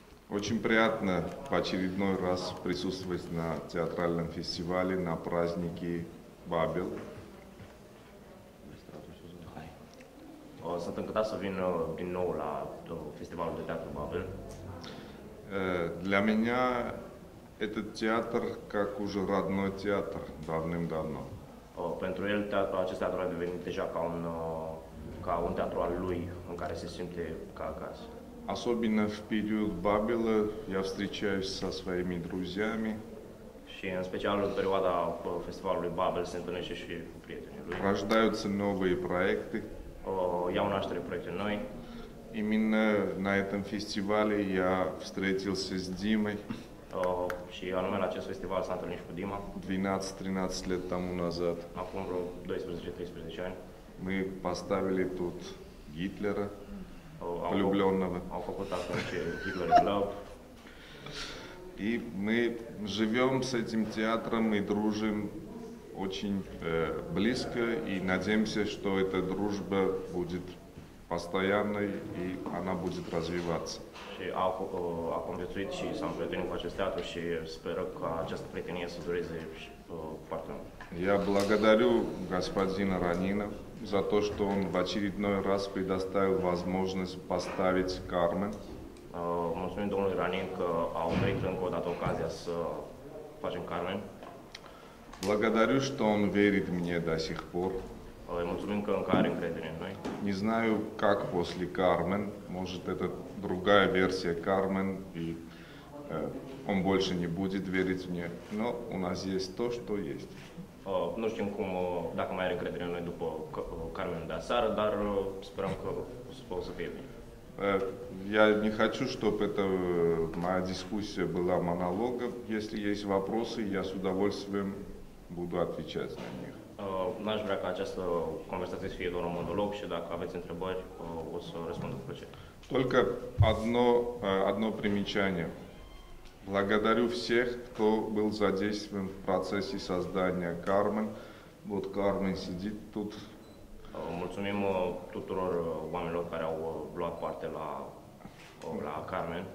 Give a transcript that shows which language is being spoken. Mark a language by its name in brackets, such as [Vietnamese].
[Russian] Очень приятно в очередной раз присутствовать на театральном фестивале, на празднике Бабел. [Romanian] Sunt încântat să vin din nou la festivalul de teatru Бабел. [Russian] Для меня этот театр как уже родной театр давным-давно. [Romanian] Pentru el acest театр a devenit deja ca un театр al lui, în care se simte ca acasă. [Russian] Особенно в период Бабела я встречаюсь со своими друзьями. [Romanian] Și în special în perioada festivalului Бабел se întâlnește și cu prietenii lui. [Russian] Рождаются новые проекты. [Romanian] Iau naștere proiecte noi. [Russian] Именно на этом фестивале я встретился с Димой. [Romanian] Și anume la acest festival s-a întâlnit cu Dima. [Russian] 12-13 лет тому назад. [Romanian] Acum vreo 12-13 ani. [Russian] Мы поставили тут Гитлера, влюбленного. [Romanian] Au făcut atunci Hitler in love. [Russian] И мы живем с этим театром и дружим очень близко и надеемся, что эта дружба будет постоянной и она будет развиваться. [Romanian] Și a conviețuit și s-a împrietenit cu acest teatru și speră ca această prietenie să dureze foarte mult. [Russian] Я благодарю господина Ранина за то, что он в очередной раз предоставил возможность поставить Кармен. [Romanian] Mulțumim domnului Ранин că a oferit încă o dată ocazia să facem Кармен. [Russian] Благодарю, что он верит мне до сих пор. [Romanian] Mulțumim că încă are încredere în noi. [Russian] Не знаю, как после Кармен, может это другая версия Кармен и он больше не будет верить мне, но у нас есть то, что есть. [Romanian] Nu știm cum, dacă mai are încredere în noi după Кармен de aseară, dar sperăm că o să fie bine. [Russian] Я не хочу, чтобы эта моя дискуссия была монологом. Если есть вопросы, я с удовольствием буду отвечать на них. [Romanian] N-aș vrea ca această conversație să fie doar un monolog și dacă aveți întrebări, o să răspund cu plăcere. [Russian] Только одно примечание. Благодарю всех, кто был задействован в процессе создания Кармен. Вот Кармен сидит тут. [Romanian] Mulțumim tuturor oamenilor care au luat parte la Кармен.